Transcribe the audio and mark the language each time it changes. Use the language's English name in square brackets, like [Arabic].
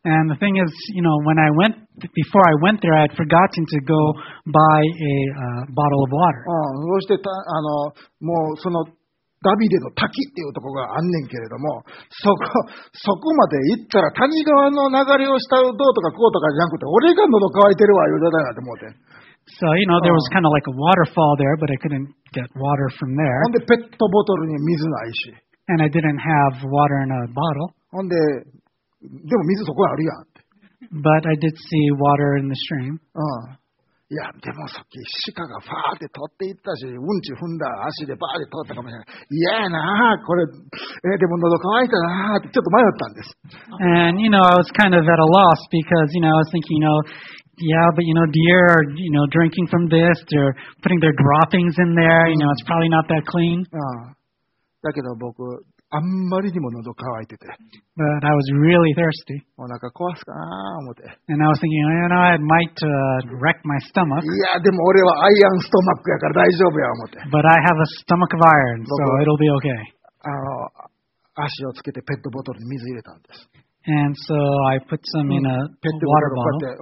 [English] And the thing is, you know, when I went, before I went there, I had forgotten to go buy a bottle of water. [Japanese] そして、あの、もうその、ダビデの滝っていうところがあんねんけれども、そこまで行ったら谷川の流れを下をどうとかこうとかじゃなくて、俺が喉乾いてるわ、言うてたなって思うて。 [English] So, you know, there was kind of like a waterfall there, but I couldn't get water from there. [Japanese] ほんで、ペットボトルに水ないし。 [English] And I didn't have water in a bottle. [Japanese] ほんで、でも水そこあるやん。 [English] But I did see water in the stream. [Japanese] いや、でもさっき鹿がファーって取っていったし、うんち踏んだ足でバーって取ったかもしれない。嫌やなぁ、これ、でも喉乾いたなぁってちょっと迷ったんです。 [English] And, you know, I was kind of at a loss because, you know, I was thinking, you know,Yeah, but you know, deer are, you know, drinking from this, they're putting their droppings in there, you know, it's probably not that clean. [Japanese] だけど僕、あんまりにも喉乾いてて。 [English] But I was really thirsty. [Japanese] お腹壊すかなぁ、思って。 [English] And I was thinking, you know, I might wreck my stomach. [Japanese] いや、でも俺はアイアンストマックやから大丈夫や、思って。 [English] But I have a stomach of iron, so it'll be okay. [Japanese] 足をつけてペットボトルに水入れたんです。 [English] And so I put some in a water bottle.